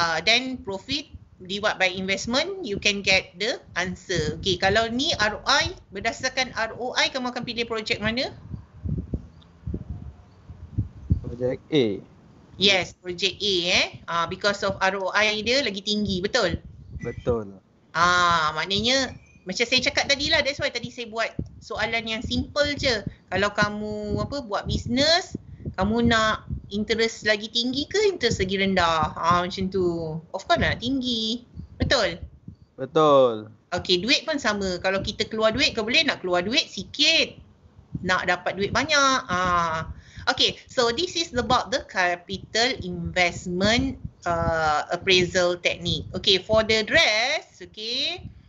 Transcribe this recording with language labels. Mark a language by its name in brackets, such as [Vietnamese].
[English] Then profit divided by investment, you can get the answer. [Malay] Okay, kalau ni ROI, berdasarkan ROI, kamu akan pilih projek mana? Projek A. Yes, projek A [English] because of [Malay] ROI dia lagi tinggi, betul? Betul. Maknanya, macam saya cakap tadilah, [English] that's why [Malay] tadi saya buat soalan yang simple je. Kalau kamu apa buat business, kamu nak interest lagi tinggi ke interest lagi rendah? Macam tu. Of course nak tinggi. Betul? Betul. Okay, duit pun sama. Kalau kita keluar duit, kau boleh nak keluar duit sikit. Nak dapat duit banyak. [English] Okay, so this is about the capital investment appraisal technique. Okay, for the dress, okay.